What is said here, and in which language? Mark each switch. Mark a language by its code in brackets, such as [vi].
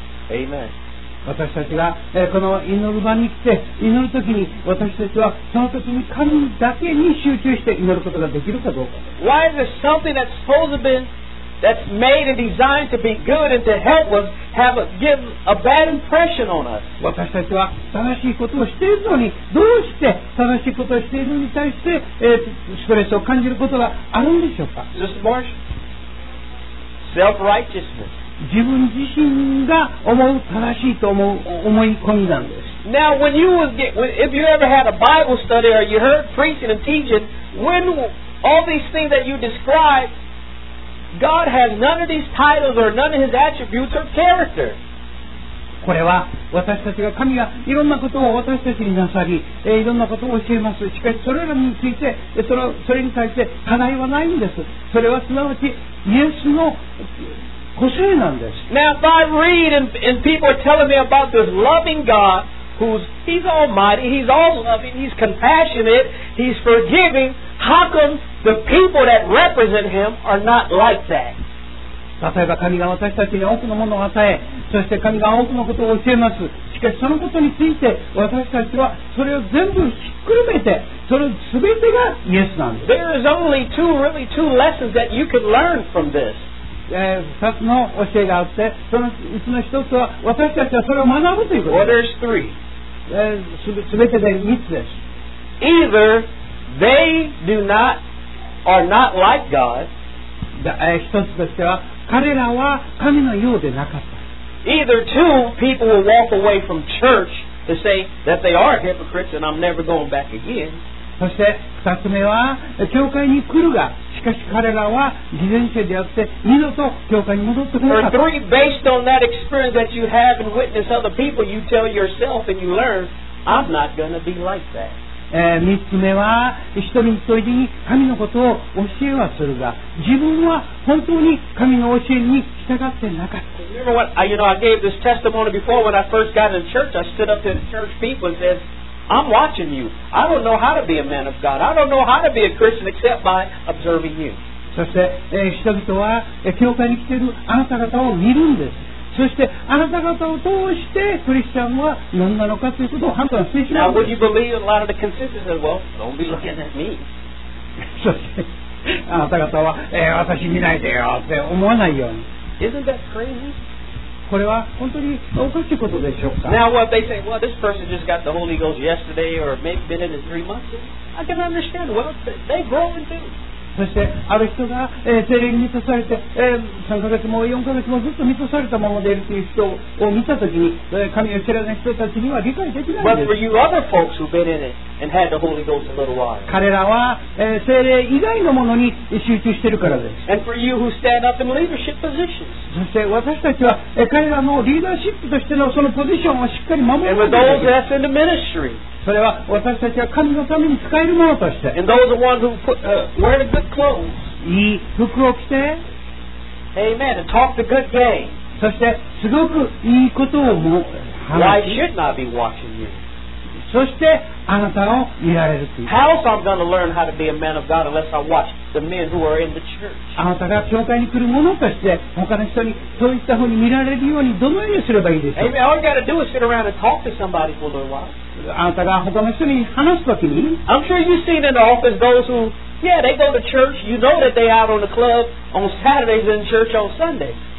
[en] Amen. [ja] 私たちが、この祈る場に来て祈るときに私たちはその時に神だけに集中して祈ることができるかどうか。 [en] Why is there something that's supposed to be that's made and designed to be good and to help us have a, give a bad impression on us? [ja] 私たちは正しいことをしているのにどうして正しいことをしているのに対して、ストレスを感じることがあるんでしょうか。 [en] Mr. Marsh, self-righteousness. [ja] 自分自身が思う正しいと思う思い込みなんです。 [en] Now, when you was get, if you ever had a Bible study or you heard preaching and teaching, when all these things that you describe, God has none of these titles or none of His attributes or character. [ja] これは私たちが神がいろんなことを私たちになさり、いろんなことを教えます。しかしそれらについて、それに対して課題はないんです。それはすなわちイエスの個性なんです。 [en] Now if I read and people are telling me about this loving God, who's He's Almighty, He's all loving, He's compassionate, He's forgiving, how come the people that represent Him are not like that? [ja] 例えば神が私たちに多くのものを与え、そして神が多くのことを教えます。しかしそのことについて私たちはそれを全部ひっくるめて、それ全てがイエスなんです。 [en] There is only two, really two lessons that you could learn from this. [ja] 2つの教えがあって、そのうちの1つは私たちはそれを学ぶということ。 [en] What is three? [ja] 全てで3つです。 [en] Either they do not are not like God、 [ja] 1つとしては彼らは神のようでなかった。 [en] Either two people will walk away from church to say that they are hypocrites and I'm never going back again. [ja] そして二つ目は、教会に来るが、しかし彼らは偽善者であって二度と教会に戻ってこなかった。 [en] Or three, based on that experience that you have and witness other people, you tell yourself and you learn, I'm not going to be like that. [ja] 三つ目は、人々に神のことを教えはするが、自分は本当に神の教えに従ってなかった。 [en] Remember what I, you know, I gave this testimony before when I first got in church. I stood up to the church people and said, I'm watching you. I don't know how to be a man of God. I don't know how to be a Christian except by observing you. [ja] そして、人々は、教会に来ているあなた方を見るんです。そしてあなた方を通してクリスチャンは何なのかということを判断してしまう。 [en] Now, would you believe a lot of the consensus said, well, don't be looking at me. [ja] そしてあなた方は、私見ないでよって思わないように。 [en] Isn't that crazy? [ja] これは本当におかしいことでしょうか。 [en] Now what they say, well, this person just got the Holy Ghost yesterday or maybe been in it 3 months. I can understand. Well, they grow into it. [ja] そしてある人が、聖霊に満たされて、3ヶ月も4ヶ月もずっと満たされたままでいるという人を見たときに、神を知らない人たちには理解できないんです。 [en] But for you other folks who've been in it and had the Holy Ghost a little while, [ja] 彼らは、聖霊以外のものに集中しているからです。 [en] And for you who stand up in leadership positions, [ja] そして私たちは、彼らのリーダーシップとしてのそのポジションをしっかり守る。 [en] And with those that's in the ministry, [ja] それは私たちは神のために使えるものとして、 [en] And those are ones who put, wear the good clothes. [ja] いい服を着て、 [en] Amen. And talk the good game. [ja] そしてすごくいいことをも話す。 [en] Why should not be watching you? [ja] そしてあなたを見られるという。 [en] How else am I going to learn how to be a man of God unless I watch the men who are in the church? [ja] あなたが教会に来るものとして他の人にそういったふうに見られるようにどのようにすればいいでしょう。 [en] Amen. All you got to do is sit around and talk to somebody for a little while. [ja] あなたが他の人に話すときに、 [en] I'm sure you've seen in the office those who, yeah, they go to church. You know that they out on the club on Saturdays and church on Sunday.